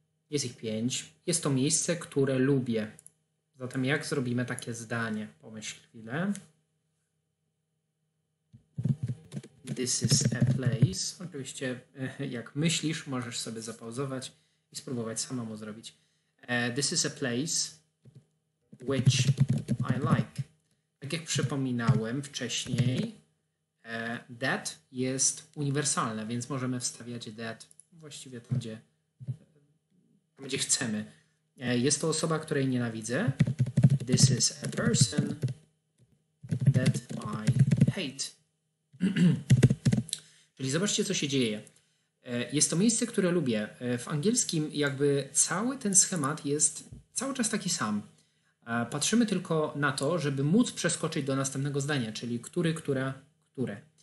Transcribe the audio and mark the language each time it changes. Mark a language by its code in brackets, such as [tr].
[pl] Jest ich pięć. Jest to miejsce, które lubię. Zatem jak zrobimy takie zdanie? Pomyśl chwilę. [en] This is a place. [pl] Oczywiście jak myślisz, możesz sobie zapauzować i spróbować samemu zrobić. [en] This is a place which I like. [pl] Tak jak przypominałem wcześniej, that jest uniwersalne, więc możemy wstawiać that właściwie tam, gdzie chcemy. Jest to osoba, której nienawidzę. [en] This is a person that I hate. [pl] Czyli zobaczcie, co się dzieje. Jest to miejsce, które lubię. W angielskim jakby cały ten schemat jest cały czas taki sam. Patrzymy tylko na to, żeby móc przeskoczyć do następnego zdania, czyli który, która, które.